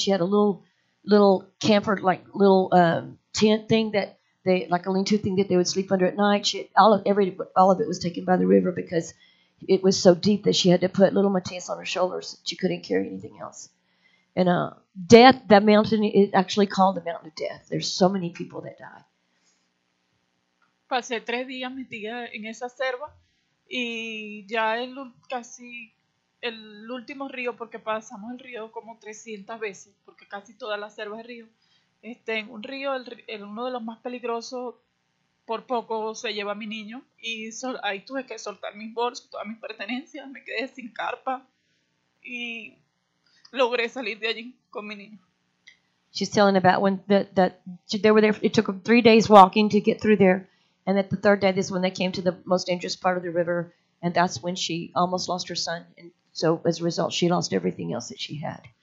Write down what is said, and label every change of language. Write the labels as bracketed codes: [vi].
[en] She had a little camper, like little tent thing that they, like a lean-to thing that they would sleep under at night. All of it was taken by the river because it was so deep that she had to put little Matias on her shoulders. She couldn't carry anything else. And death, that mountain is actually called the Mountain of Death. There's so many people that die. [es] Pasé 3 días metida en esa selva y ya el último río, porque pasamos el río como 300 veces, porque casi toda la selva es río. Un río, uno de los más peligrosos, por poco se lleva a mi niño. Y ahí tuve que soltar mis bolsos, todas mis pertenencias, me quedé sin carpa y logré salir de allí con mi niño. [en] She's telling about when they were there, it took them 3 days walking to get through there. And at the third day, this is when they came to the most dangerous part of the river. And that's when she almost lost her son. And so as a result, she lost everything else that she had.